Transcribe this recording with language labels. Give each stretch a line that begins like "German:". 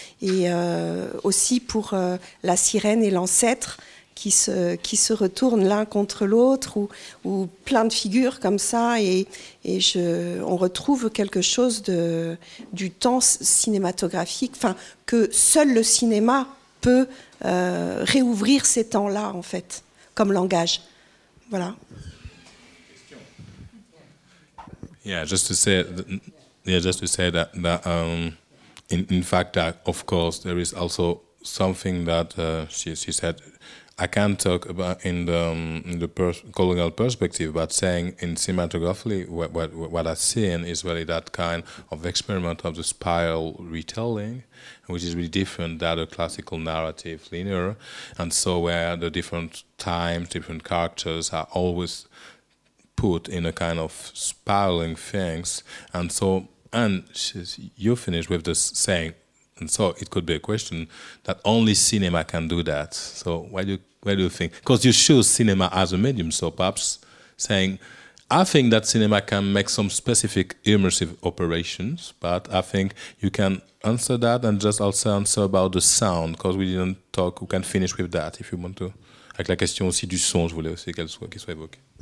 French: Et aussi pour la sirène et l'ancêtre qui se retournent l'un contre l'autre ou plein de figures comme ça. On retrouve quelque chose du temps cinématographique, enfin, que seul le cinéma peut réouvrir ces temps-là, en fait, comme langage. Voilà.
English: Yeah, just to say that in fact, that of course, there is also something that she said. I can't talk about in the colonial perspective, but saying in cinematography, what I've seen is really that kind of experiment of the spiral retelling, which is really different than a classical narrative linear, and so where the different times, different characters are always put in a kind of spiraling things. And so, and you finish with the saying, and so it could be a question that only cinema can do that. So why do you think? Because you choose cinema as a medium, so perhaps saying, I think that cinema can make some specific immersive operations, but I think you can answer that and just also answer about the sound, because we didn't talk, we can finish with that if you want to.
French: Avec la question aussi du son, je voulais aussi qu'elle soit évoquée.